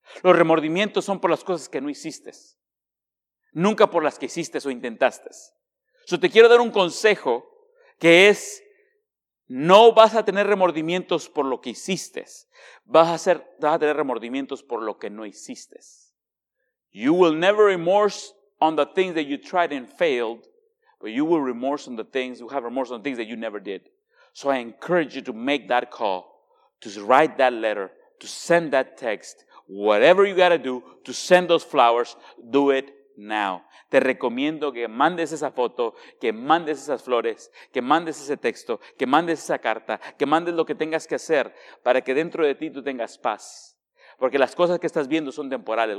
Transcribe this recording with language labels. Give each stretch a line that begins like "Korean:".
Spanish: Los remordimientos son por las cosas que no hiciste. Nunca por las que hiciste o intentaste. Yo te quiero dar un consejo que es, no vas a tener remordimientos por lo que hiciste. Vas a tener remordimientos por lo que no hiciste.
English: You will never remorse on the things that you tried and failed. But you will remorse on the things, you have remorse on the things that you never did. So I encourage you to make that call, to write that letter, to send that text, Whatever you got to do to send those flowers, do it now.
Spanish: Te recomiendo que mandes esa foto, que mandes esas flores, que mandes ese texto, que mandes esa carta, que mandes lo que tengas que hacer para que dentro de ti tú tengas paz. Porque las cosas que estás viendo son temporales.